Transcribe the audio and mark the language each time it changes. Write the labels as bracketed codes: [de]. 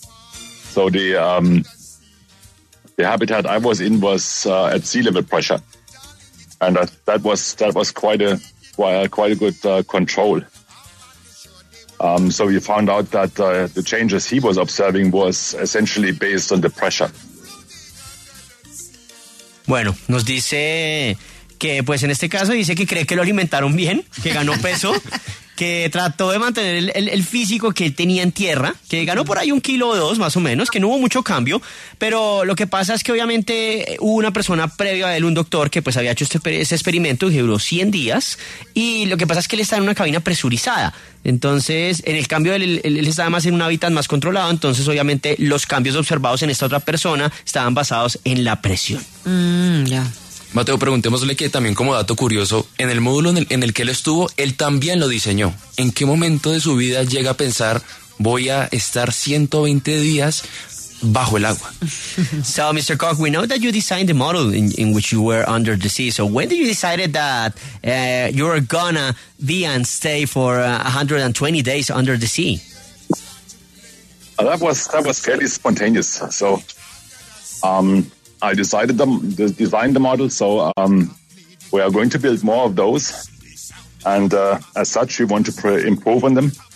[en] So the habitat I was in was at sea level pressure, and that was quite a good control. So we found out that the changes he was observing was essentially based on the pressure. [es] Bueno, nos dice que, pues en este caso, dice que cree que lo alimentaron bien, que ganó peso, que trató de mantener el físico que tenía en tierra, que ganó por ahí un kilo o dos, más o menos, que no hubo mucho cambio, pero lo que pasa es que obviamente hubo una persona previa a él, un doctor, que pues había hecho ese experimento y duró 100 días, y lo que pasa es que él está en una cabina presurizada. Entonces, en el cambio, él estaba más en un hábitat más controlado, entonces obviamente los cambios observados en esta otra persona estaban basados en la presión. Mateo, preguntémosle que también, como dato curioso, en el módulo en el que él estuvo, él también lo diseñó. ¿En qué momento de su vida llega a pensar, voy a estar 120 días bajo el agua? [en] So, Mr. Kosch, we know that you designed the model in which you were under the sea. So, when did you decide that you were gonna be and stay for 120 days under the sea? That was fairly spontaneous. So, I designed the model, so we are going to build more of those, and as such, we want to improve on them.